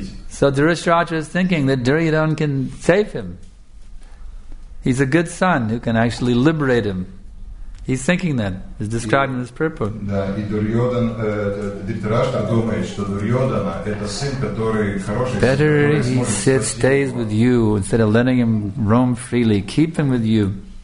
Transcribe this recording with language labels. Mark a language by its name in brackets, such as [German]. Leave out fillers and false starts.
[English] So Dhritarashtra is thinking that Duryodhana can save him. He's a good son who can actually liberate him. He's thinking that. He's describing this purpose. [Russian] Да, и Дурьодан, Дритарашта думает, что Дурьодана это сын, который хороший. [English] Better he sits, stays with you instead of letting him roam freely. Keep him with you.